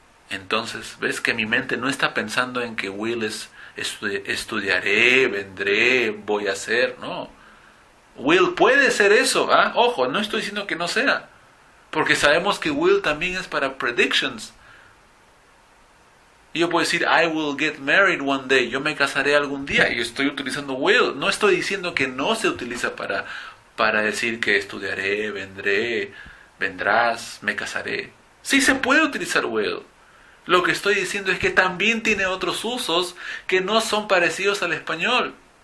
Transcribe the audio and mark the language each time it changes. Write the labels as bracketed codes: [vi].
[es] Entonces, ves que mi mente no está pensando en que will es estudiaré, vendré, voy a hacer. No. Will puede ser eso. ¿Eh? Ojo, no estoy diciendo que no sea. Porque sabemos que will también es para predictions. Yo puedo decir, [en] I will get married one day. [es] Yo me casaré algún día. Y estoy utilizando will. No estoy diciendo que no se utiliza para decir que estudiaré, vendré, vendrás, me casaré. Sí se puede utilizar will. Lo que estoy diciendo es que también tiene otros usos que no son parecidos al español.